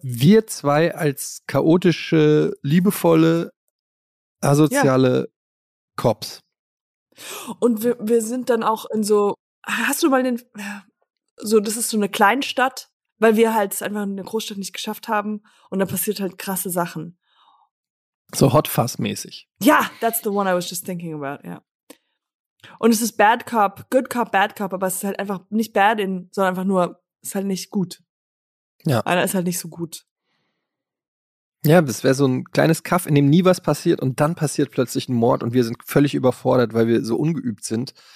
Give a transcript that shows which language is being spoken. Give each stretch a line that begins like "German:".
German: Wir zwei als chaotische, liebevolle, asoziale Cops. Und wir sind dann auch in so, hast du mal den, so, das ist so eine Kleinstadt, weil wir halt einfach in der Großstadt nicht geschafft haben und da passiert halt krasse Sachen. So Hotfuss-mäßig.
English: Ja, that's the one I was just thinking about, ja.
German: Und es ist Bad Cop, Good Cop, Bad Cop, aber es ist halt einfach nicht bad in, sondern einfach nur, es ist halt nicht gut. Ja. Einer ist halt nicht so gut. Ja, das wäre so ein kleines Kaff, in dem nie was passiert und dann passiert plötzlich ein Mord und wir sind völlig überfordert, weil wir so ungeübt sind.